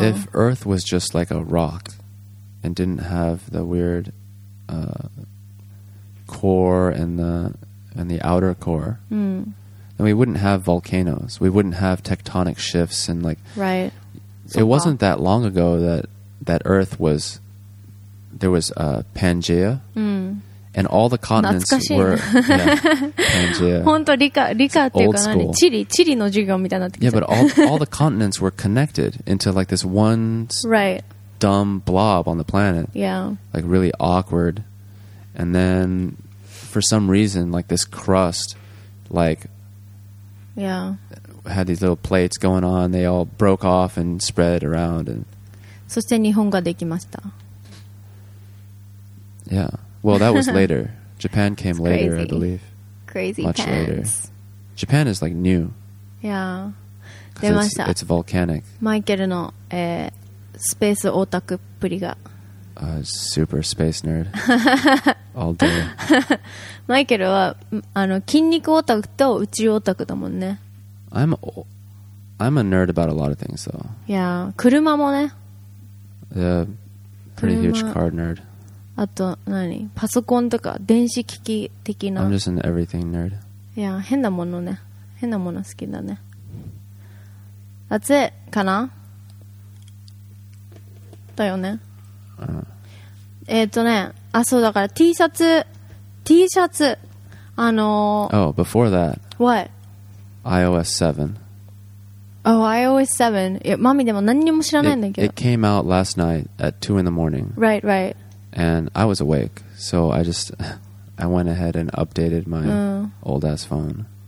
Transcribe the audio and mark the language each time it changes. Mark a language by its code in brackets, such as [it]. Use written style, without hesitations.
[en] If earth was just like a rock and didn't have the weird core and the outer core, then we wouldn't have volcanoes. We wouldn't have tectonic shifts and like... Right. It wasn't that long ago that Earth was... There was Pangea. Mm. And all the continents were... Pangea. [ja] 本当、理科っていうか何?地理の授業みたいになってきちゃう。 [en] Yeah, but all the continents were connected into like this one dumb blob on the planet. Yeah. Like really awkward. And then for some reason, like this crust, like... Yeah. Had these little plates going on. They all broke off and spread around. And [ja] そして日本ができました。 [en] Yeah. Well, that was later. Japan came later, I believe. Crazy. Much pants. Later. Japan is like new. Yeah. [ja] 出ました。 [en] It's volcanic. [ja] マイケルの、スペースオタクっぷりが。 [en] Super space nerd. All day. [ja] マイケルはあの筋肉オタクと宇宙オタクだもんね。 [en] I'm a nerd about a lot of things though. [ja] Yeah, 車もね。 [en] Pretty huge car nerd. [ja] あと何？パソコンとか電子機器的な。 [en] I'm just an everything nerd. [ja] Yeah, 変なものね。変なもの好きだね。 [en] That's it [ja] かな？だよね。ね。あ、そうだから T シャツ、T シャツ、 [en] Oh, before that. What? iOS 7. Oh, iOS 7. [ja] Yeah, マミでも何にも知らないんだけど。 [en] It came out last night at 2 in the morning. Right, right. And I was awake, so I went ahead and updated my old ass phone.